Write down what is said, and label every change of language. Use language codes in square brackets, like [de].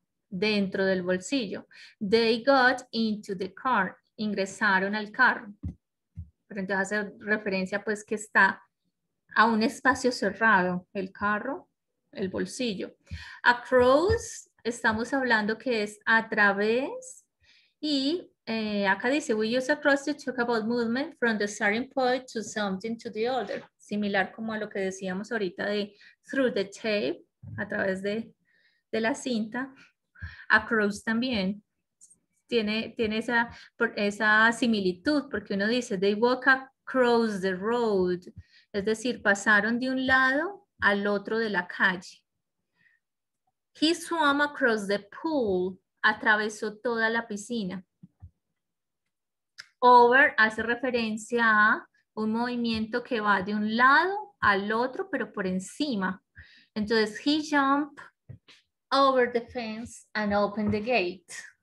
[es] dentro del bolsillo. [en] They got into the car. [es] Ingresaron al carro. Pero entonces hace referencia pues que está a un espacio cerrado, el carro, el bolsillo. Across, estamos hablando que es a través. Y acá dice, [en] we use across to talk about movement from the starting point to something to the other. [es] Similar como a lo que decíamos ahorita de [en] through the tape, [es] a través de la cinta. Across también tiene esa similitud, porque uno dice, [en] they walk across the road. [es] Es decir, pasaron de un lado al otro de la calle. [en] He swam across the pool. [es] Atravesó toda la piscina. Over hace referencia a un movimiento que va de un lado al otro, pero por encima. [en] Entonces, he jumped over the fence and opened the gate.